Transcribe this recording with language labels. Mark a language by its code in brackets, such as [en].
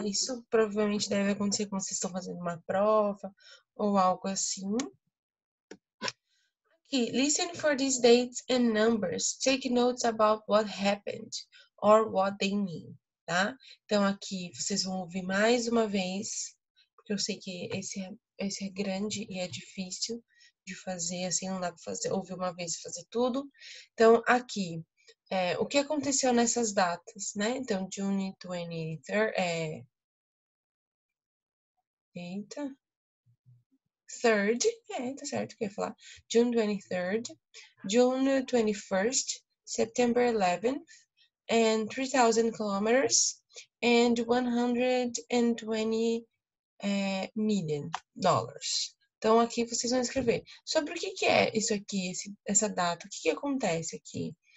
[pt] Isso provavelmente deve acontecer quando vocês estão fazendo uma prova ou algo assim. [en] Aqui, listen for these dates and numbers. Take notes about what happened or what they mean, tá? [pt] Então, aqui vocês vão ouvir mais uma vez, porque eu sei que esse é grande e é difícil de fazer, assim, não dá pra fazer, ouvir uma vez e fazer tudo. Então, aqui, o que aconteceu nessas datas, né? Então, June 23rd, 3rd, tá certo, o que eu ia falar? [en] June 23rd, June 21st, September 11th, and 3,000 kilometers, and 120 million dollars. [pt] Então, aqui vocês vão escrever. Sobre o que é isso aqui, essa data? O que acontece aqui?